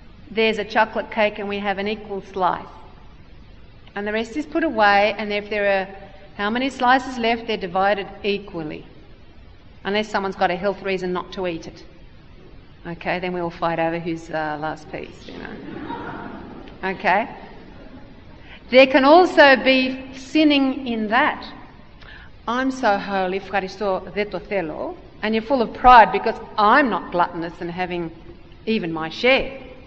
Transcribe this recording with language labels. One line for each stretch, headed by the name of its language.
English: There's a chocolate cake and we have an equal slice. And the rest is put away, and if there are how many slices left, they're divided equally. Unless someone's got a health reason not to eat it. Okay, then we all fight over who's the last piece, you know. Okay. There can also be sinning in that. I'm so holy,
Greek: ευχαριστώ, δεν το θέλω.
English: And you're full of pride because I'm not gluttonous and having even my share.